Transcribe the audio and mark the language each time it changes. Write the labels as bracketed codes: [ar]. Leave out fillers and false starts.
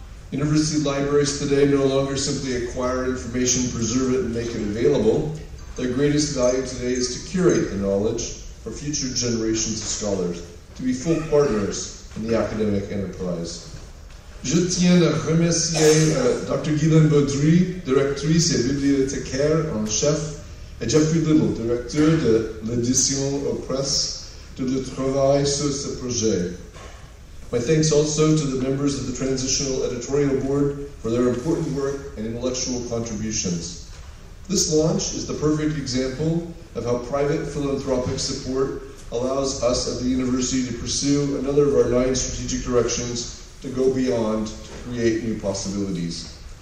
[en] University libraries today no longer simply acquire information, preserve it, and make it available. Their greatest value today is to curate the knowledge for future generations of scholars, to be full partners in the academic enterprise. [fr] Je tiens à remercier Dr. Guylaine Baudry, directrice et bibliothécaire en chef, et Jeffrey Little, directeur de l'édition aux presses, de le travail sur ce projet. [en] My thanks also to the members of the Transitional Editorial Board for their important work and intellectual contributions. This launch is the perfect example of how private philanthropic support allows us at the university to pursue another of our 9 strategic directions to go beyond, to create new possibilities.